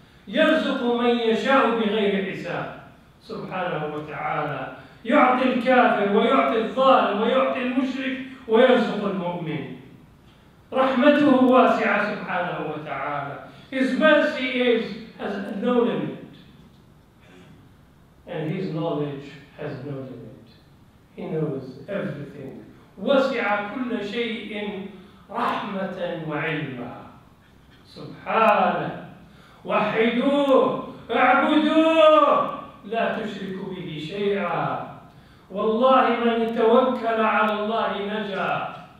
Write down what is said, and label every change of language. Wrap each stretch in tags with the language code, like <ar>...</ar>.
<ar>يرزق من يشاء بغير حساب سبحانه وتعالى يعطي الكافر ويعطي الظالم ويعطي المشرك ويرزق المؤمن رحمته واسعة سبحانه وتعالى.</ar> <en>His mercy is, has no limit and His knowledge has no limit. He knows everything.</en> <ar>وسع كل شيء رحمة وعلما سبحانه. وحدوه اعبدوه لا تشركوا به شيئا. والله من توكل على الله نجا.</ar>